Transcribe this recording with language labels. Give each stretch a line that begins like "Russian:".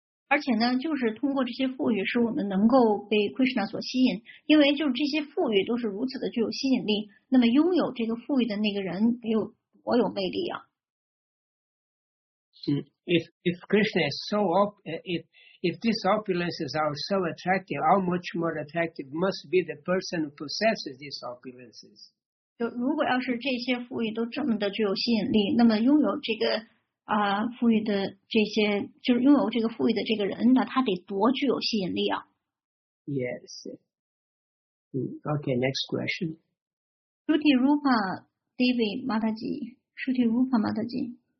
Chinese: 而且呢，就是通过这些富裕，使我们能够被 Krishna 所吸引，因为就是这些富裕都是如此的具有吸引力。那么拥有这个富裕的那个人，得有多有魅力啊！
English: If Krishna is so if these opulences are so attractive, how much more attractive must be the person who possesses these opulences?
Chinese: 就如果要是这些富裕都这么的具有吸引力，那么拥有这个啊、富裕的这些，就是拥有这个富裕的这个人呢，他得多具有吸引力啊。
English: Yes. Okay, next question. Shruti Rupa Devi Mataji. Shruti Rupa Mataji.